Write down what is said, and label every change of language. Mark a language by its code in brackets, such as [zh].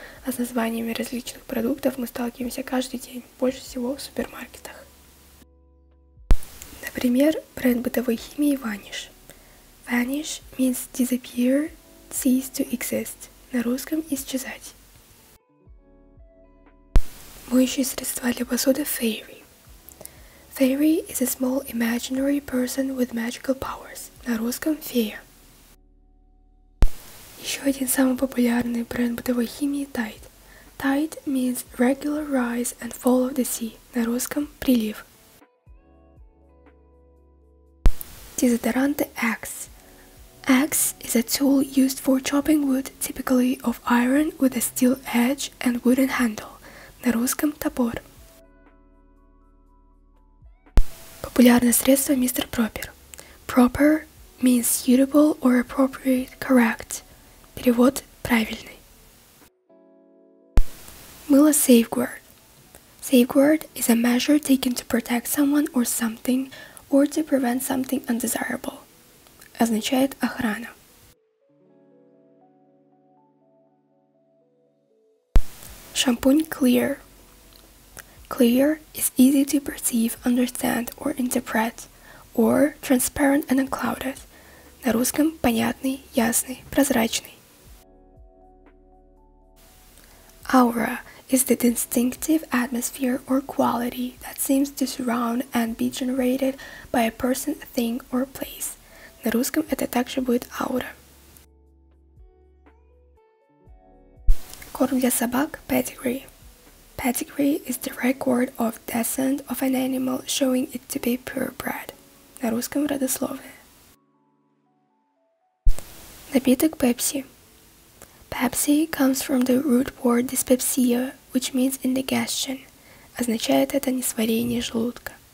[ru] А с названиями различных продуктов мы сталкиваемся каждый день, больше всего в супермаркетах. Например, бренд бытовой химии «Ваниш». [en] Vanish means disappear, cease to exist. [ru] На русском исчезать. Моющие средства для посуды Fairy. [en] Fairy is a small imaginary person with magical powers. [ru] На русском фея. Еще один самый популярный бренд бытовой химии Tide. [en] Tide means regular rise and fall of the sea. [ru] На русском прилив. Дезодоранты Axe. [en] Axe is a tool used for chopping wood, typically of iron with a steel edge and wooden handle. [ru] На русском топор. Популярное средство мистер Пропер. [en] Proper means suitable or appropriate, correct. [ru] Перевод правильный. Мыло [en] Safeguard. Safeguard is a measure taken to protect someone or something or to prevent something undesirable. [ru] Означает охрана. Шампунь [en] Clear. Clear is easy to perceive, understand or interpret, or transparent and unclouded. [ru] На русском понятный, ясный, прозрачный. [en] Aura is the distinctive atmosphere or quality that seems to surround and be generated by a person, a thing or place. [ru] На русском это также будет аура. Корм для собак – [en] pedigree. Pedigree is the record of descent of an animal showing it to be purebred. [ru] На русском родословное. Напиток Pepsi. [en] Pepsi comes from the root word dyspepsia, which means indigestion. [ru] Означает это несварение желудка.